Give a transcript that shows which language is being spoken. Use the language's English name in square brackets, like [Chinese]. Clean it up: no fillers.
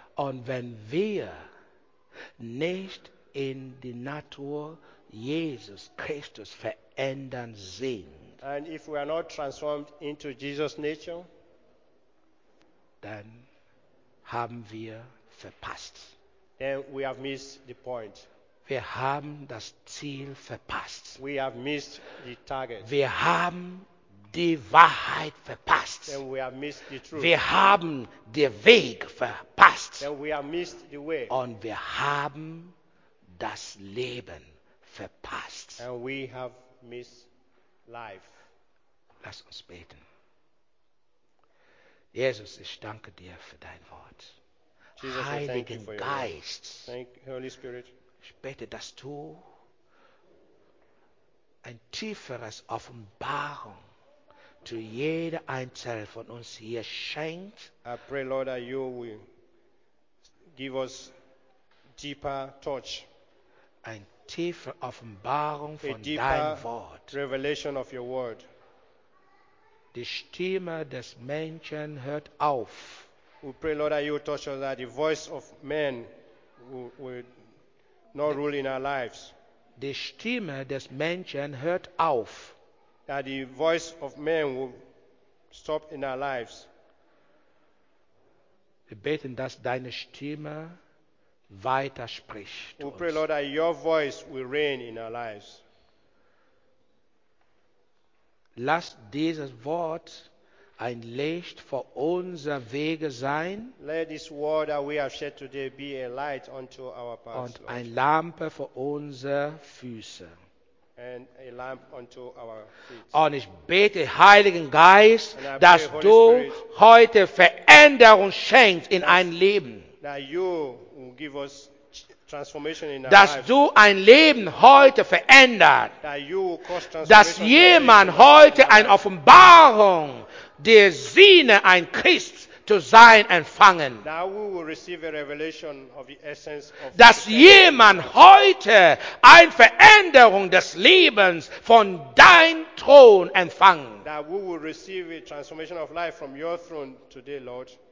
[German] Und wenn wir nicht in die Natur Jesus Christus verändern sind, [English] and if we are not transformed into Jesus' nature, [German] dann haben wir verpasst. [English] Then we have missed the point. [German] Wir haben das Ziel verpasst. [English] We have missed the target. [German] Wir haben die Wahrheit verpasst. [English] Then we have missed the truth. [German] Wir haben den Weg verpasst. [English] Then we have missed the way. [German] Und wir haben das Leben verpasst. [English] And we have missed life. [German] Lass uns beten. Jesus, ich danke dir für dein Wort. Jesus, Heiligen [English] thank [German] Geist. [English] Thank you, Holy Spirit. [German] Ich bete, dass du ein tieferes Offenbarung zu jeder Einzelne von uns hier schenkt. [English] I pray, Lord, that you will give us deeper touch. [German] Ein tiefer Offenbarung von deinem Wort. [English] Revelation of your word. [German] Die Stimme des Menschen hört auf. [English] We pray, Lord, that you touch us, that the voice of men will not rule in our lives. [German] Die Stimme des Menschen hört auf. [English] That the voice of men will stop in our lives. [German] Wir beten, dass deine Stimme weiterspricht. [English] We pray, Lord, that your voice will reign in our lives. [German] Lass dieses Wort ein Licht für unsere Wege sein. [English] Let this word that we have shared today be a light unto our paths. [German] Und ein Lampe für unsere Füße. [English] And a lamp unto our feet. [German] Und ich bete, Heiligen Geist, dass du heute Veränderung schenkst in ein Leben. [English] That you will give us transformation in our [German] dass [English] lives. [German] Du ein Leben heute verändert. [English] That you will cause transformation [German] dass jemand heute eine Offenbarung der Sinne, ein Christ zu sein, empfangen. [English] That we will receive a revelation of the essence of [German] dass jemand heute eine Veränderung des Lebens von deinem Thron empfangen. [English] That we will receive a transformation of life from your throne today, Lord.